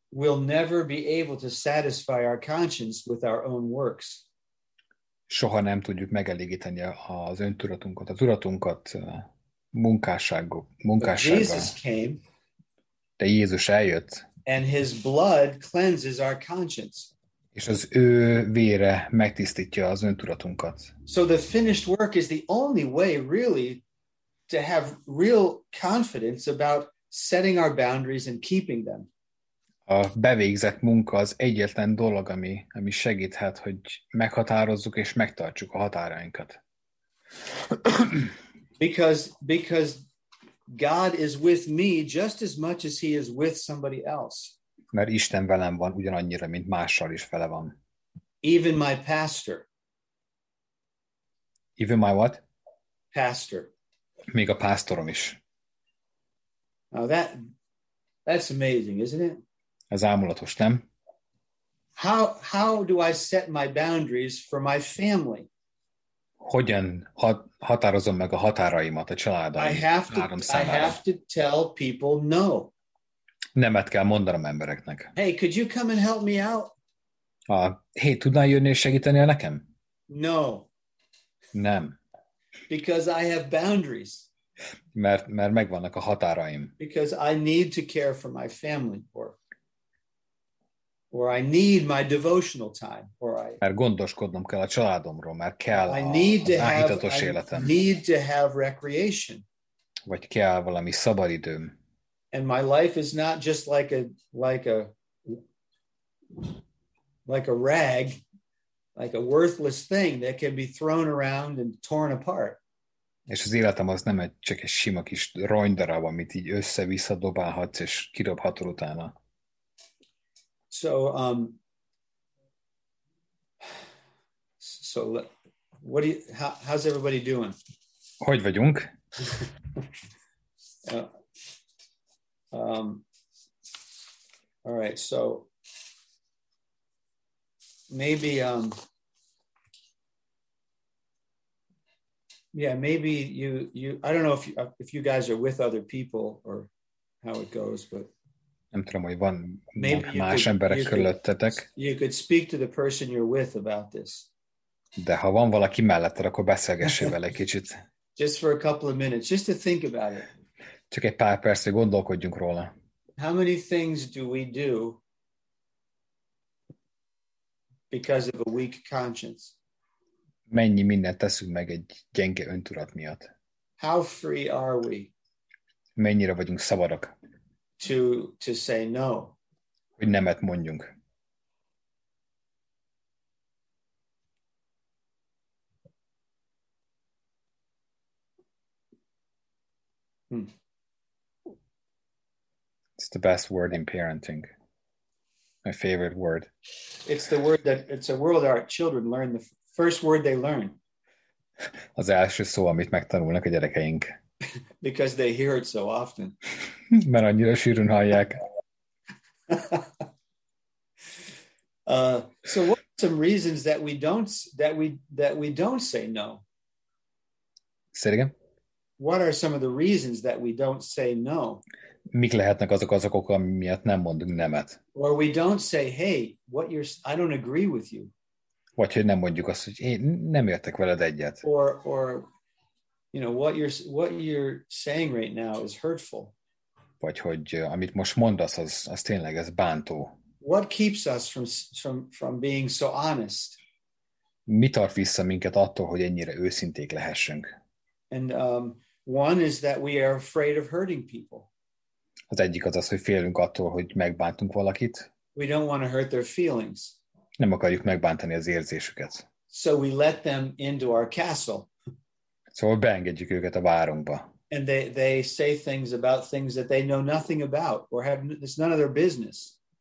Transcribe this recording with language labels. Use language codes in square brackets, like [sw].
[en] We'll never be able to satisfy our conscience with our own works. [hu] Soha nem tudjuk megelégíteni az öntudatunkat, a tudatunkat munkássággal. [en] Jesus came. [hu] De Jézus eljött. [en] And his blood cleanses our conscience. [hu] És az ő vére megtisztítja az öntudatunkat. [en] So the finished work is the only way really to have real confidence about setting our boundaries and keeping them. [hu] A bevégzett munka az egyetlen dolog, ami segíthet, hogy meghatározzuk és megtartsuk a határainkat. [en] Because God is with me just as much as he is with somebody else. [hu] Mert Isten velem van ugyanannyira, mint mással is vele van. [en] Even my pastor. Even my what? Pastor. [hu] Még a pásztorom is. [en] Now that's amazing, isn't it? [hu] Ez álmulatos, nem? [en] How do I set my boundaries for my family? [hu] Hogyan határozom meg a határaimat a családom? [en] I have to tell people no. [hu] Nemet kell mondanom embereknek. [en] Hey, could you come and help me out? [hu] Hey, tudnál jönni és segíteni nekem? [en] No. [hu] Nem. [en] Because I have boundaries. [hu] Mert megvannak a határaim. [en] Because I need to care for my family or I need my devotional time or I [hu] mert gondoskodnom kell a családomról, mert kell [en] I need to [hu] az áhítatos életem. [en] I need to have recreation. [hu] Vagy kell valami szabadidőm. [en] And my life is not just like a rag, like a worthless thing that can be thrown around and torn apart. [hu] És az életem az nem egy csak egy sima kis ronydarab, amit így össze-vissza dobálhatsz és kidobhatod utána. [en] So what do you, how's everybody doing? [hu] Hogy vagyunk? [en] All right, so maybe maybe you I don't know if you guys are with other people or how it goes, but [hu] nem tudom, hogy van [en] maybe [hu] más [en] could, [hu] emberek körülöttetek. [en] You could speak to the person you're with about this. [hu] De ha van valaki melletted, akkor beszélgessél vele egy kicsit. [en] Just for a couple of minutes, just to think about it. [hu] Csak egy pár perc, hogy gondolkodjunk róla. [en] How many things do we do because of a weak conscience? [hu] Mennyi mindent teszünk meg egy gyenge öntudat miatt? [en] How free are we? [hu] Mennyire vagyunk szabadok? [en] To say no. [hu] Hogy nemet mondjunk. [en] It's the best word in parenting. My favorite word. It's the word that it's a word our children learn, the first word they learn. [hu] Az első szó, amit megtanulnak a gyerekeink. [en] Because they hear it so often. [hu] Mert annyira sűrűn hallják. [en] So what are some reasons that we don't say no? Say it again. What are some of the reasons that we don't say no? [hu] Mik lehetnek azok okok, ami miatt nem mondunk nemet? [en] Or we don't say, hey, what you're, I don't agree with you. [hu] Vagy hogy nem mondjuk azt, hogy én nem értek veled egyet. [en] Or you know, what you're saying right now is hurtful. [hu] Vagy hogy amit most mondasz, az tényleg ez bántó. [en] What keeps us from being so honest? [hu] Mi tart vissza minket attól, hogy ennyire őszinték lehessünk? [en] And one is that we are afraid of hurting people. [hu] Az egyik az az, hogy félünk attól, hogy megbántunk valakit. [en] We don't want to hurt their feelings. [hu] Nem akarjuk megbántani az érzésüket. [en] So we let them into our castle. [hu] Szóval beengedjük őket a várunkba. [en] And they say things about things that they know nothing about or have, it's none of their business.